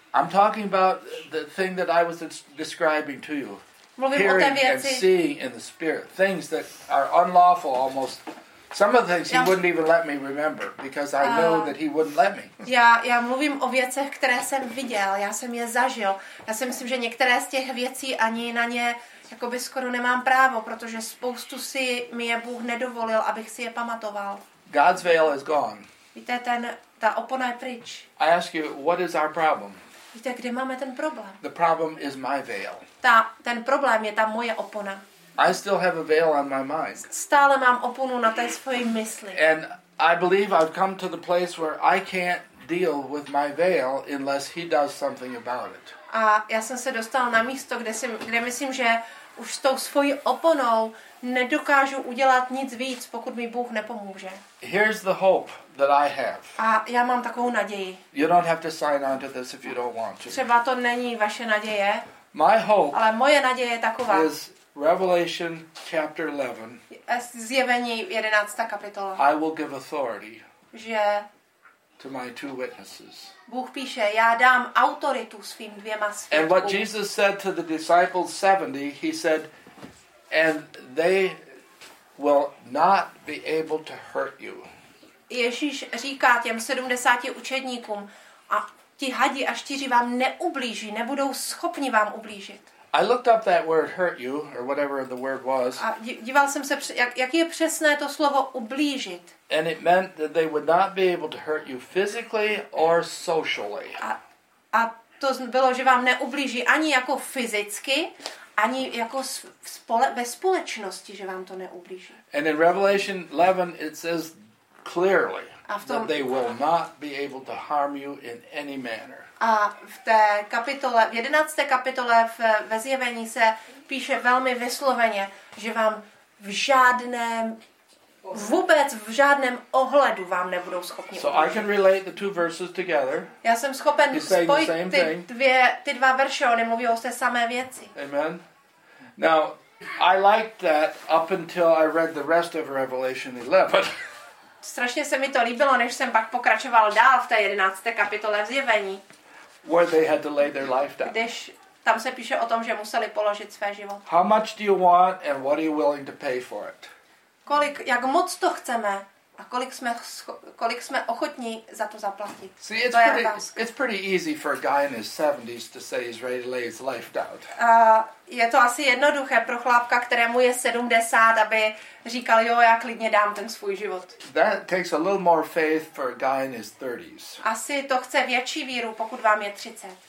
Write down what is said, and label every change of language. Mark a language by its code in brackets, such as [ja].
[en] I'm talking about the thing that I was describing to you. Hearing and seeing in the spirit, things that are unlawful almost. Some of the things he wouldn't even let me remember because I know that he wouldn't let me. [cs] Já mluvím o věcech, které jsem viděl, já jsem je zažil. Já si myslím, že některé z těch věcí ani na ně jakoby skoro nemám právo, protože spoustu si mi je Bůh nedovolil, abych si je pamatoval. [en] God's veil is gone. [cs] Víte, ta opona je pryč. [en] I ask you, what is our problem? [cs] Víte, kde máme ten problém? [en] The problem is my veil. [cs] Ten problém je ta moje opona. [en] I still have a veil on my mind. [cs] Stále mám oponu na té svojí mysli. [en] And I believe I've come to the place where I can't deal with my veil unless he does something about it. [cs] A já jsem se dostal na místo, kde myslím, že už s tou svojí oponou nedokážu udělat nic víc, pokud mi Bůh nepomůže. [en] Here's the hope that I have. [cs] A já mám takovou naději. [en] You don't have to sign on to this if you don't want to. [cs] Třeba to není vaše naděje. [en] My hope. [cs] Ale moje naděje je taková. [en] Is Revelation chapter 11. [cs] Zjevení 11. kapitola. [en] I will give authority. [cs] Že [en] to my two witnesses. [cs] Bůh píše, já dám autoritu svým dvěma svědkům. [en] And what Jesus said to the disciples 70, he said, and they will not be able to hurt you. [cs] Ježíš říká těm 70 učedníkům, a ti hadi a štíři vám neublíží, nebudou schopni vám ublížit. [en] I looked up that word hurt you or whatever the word was. [cs] A díval jsem se, jaký je přesné to slovo ublížit. [en] And it meant that they would not be able to hurt you physically or socially. [cs] A to bylo, že vám neublíží ani jako fyzicky, ani jako ve společnosti, že vám to neublíží. [en] And in Revelation 11 it says clearly that they will not be able to harm you in any manner. [cs] A v té kapitole, v 11. kapitole ve zjevení se píše velmi vysloveně, že vám v žádném, vůbec v žádném ohledu vám nebudou schopni. [en] So I can relate the two verses together. [cs] Já jsem schopen spojit ty dva verše, oni mluví o té samé věci. [en] Amen. Now, I liked that up until I read the rest of Revelation 11. [cs] Strašně se mi to líbilo, než jsem pak pokračoval dál v té 11. kapitole v zjevení. [en] Where they had to lay their life down. [cs] Když tam se píše o tom, že museli položit své život. [en] How much do you want and what are you willing to pay for it? [cs] Kolik, jak moc to chceme a kolik jsme ochotní za to zaplatit? [en] See, it's pretty easy for a guy in his 70s to say he's ready to lay his life down. [cs] Je to asi jednoduché pro chlapka, kterému je 70, aby říkal, jo, já klidně dám ten svůj život. [en] That takes a little more faith for a guy in his 30s. [cs] Asi to chce větší víru, pokud vám je 30.